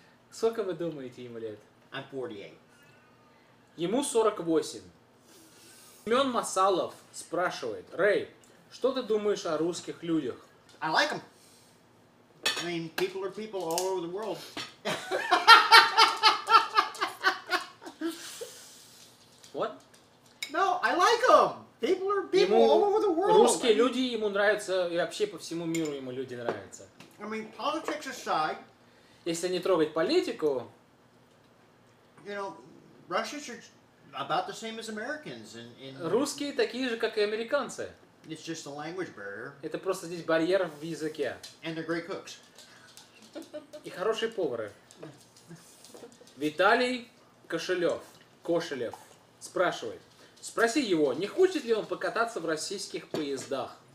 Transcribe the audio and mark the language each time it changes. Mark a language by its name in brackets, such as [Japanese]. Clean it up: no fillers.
[Russian] Сколько вы думаете ему лет? [English] I'm 48. [Russian] Ему 48. Семен Масалов спрашивает. Рэй, что ты думаешь о русских людях? [English] I like them. I mean, people are people all over the world. What? No, I like them. People are people all over the world. [Russian] Русские [English] I mean, [Russian] люди ему нравятся, и вообще по всему миру ему люди нравятся. [English] I mean, politics aside. [Russian] Если не трогать политику. [English] You know, Russians are about the same as Americans. In [Russian] русские такие же, как и американцы. [English] It's just a language barrier. [Russian] Это просто здесь барьер в языке. [English] And they're great cooks. [Russian] И хорошие повары. Виталий Кошелев. Кошелев. Спрашивает. Спроси его, не хочет ли он покататься в российских поездах.